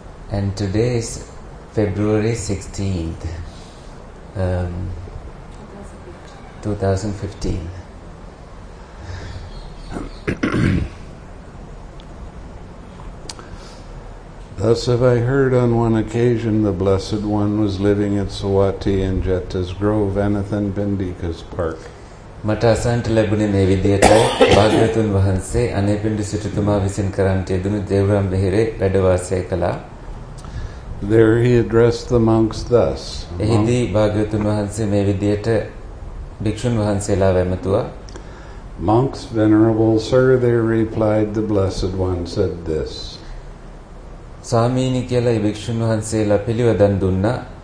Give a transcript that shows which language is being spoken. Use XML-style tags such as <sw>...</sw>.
<en>And today is February 16th, 2015. Thus have I heard on one occasion the Blessed One was living at Sawati in Jetta's Grove, Anathan Pindika's Park.</en> <si>මට අසන්ට ලැබුණේ මේ විදිහට භාග්‍යවතුන් වහන්සේ අනේපිණ්ඩ සිටුතුමා විසින් කරන්ට යෙදුණු දේවරම් බෙහෙරේ වැඩවාසය කළා.</si> <en>There he addressed the monks thus.</en> <si>එහිදී භාග්‍යවතුන් වහන්සේ මේ විදිහට භික්ෂුන් වහන්සේලා වැමතුවා.</si> <en>Monks, venerable sir, they replied, the blessed one said this.</en> <si>සාමීනි කියලා මේ භික්ෂුන් වහන්සේලා පිළිවදන් දුන්නා.</si>